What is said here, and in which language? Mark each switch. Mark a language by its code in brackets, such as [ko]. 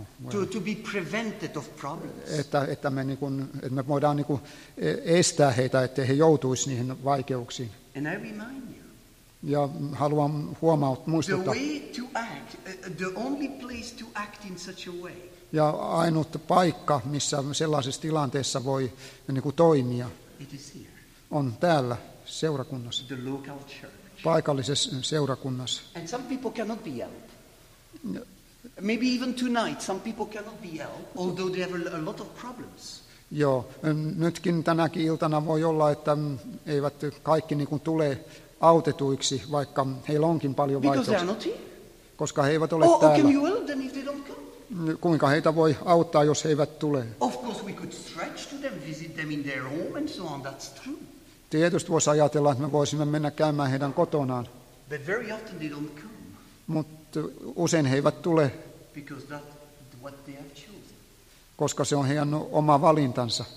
[en] To be prevented of problems. [fi] Että me voidaan niin kuin estää heitä, ettei he joutuisi niihin vaikeuksiin. [en] And I remind you. [fi] Ja haluan muistuttaa. [en] The way to act, the only place to act in such a way. [fi] Ja ainut paikka, missä sellaisessa tilanteessa voi niin kuin toimia, [en] it is here. [fi] On täällä seurakunnassa. [en] The local church. [fi] Paikallisessa seurakunnassa. [en] And some people cannot be helped. Maybe even tonight some people cannot be helped, although they have a lot of problems. [fi] Joo, nytkin tänäkin iltana voi olla, että eivät kaikki niin kuin tule autetuiksi, vaikka heillä onkin paljon vaikeuksia. Koska he eivät ole täällä. [en] Can you help them if they don't come? [fi] Kuinka heitä voi auttaa, jos he eivät tule? [en] Of course we could stretch to them, visit them in their home and so on, that's true. [fi] Tietysti voisi ajatella, että me voisimme mennä käymään heidän kotonaan. [en] But very often they don't come. [fi] Mutta usein he eivät tule. [en] Because that's what they have chosen. [fi] Koska se on heidän oma valintansa.